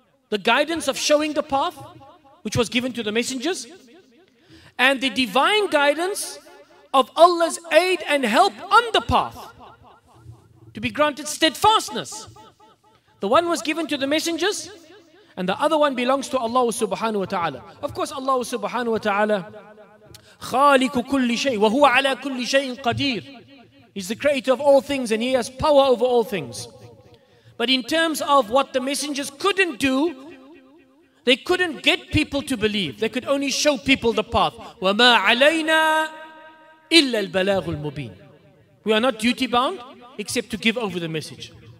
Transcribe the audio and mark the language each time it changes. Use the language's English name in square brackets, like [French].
[English] The guidance of showing the path, which was given to the messengers. And the divine guidance of Allah's aid and help on the path. To be granted steadfastness. The one was given to the messengers, and the other one belongs to Allah subhanahu wa ta'ala. Of course, [Arabic] Allah subhanahu wa ta'ala, خَالِكُ كُلِّ شَيْءٍ وَهُوَ عَلَىٰ كُلِّ شَيْءٍ قَدِيرٍ. [English] He's the creator of all things and he has power over all things. But in terms of what the messengers couldn't do, they couldn't get people to believe. They could only show people the path. [Arabic] وَمَا عَلَيْنَا إِلَّا الْبَلَاغُ الْمُبِينَ. [English] We are not duty bound except to give over the message.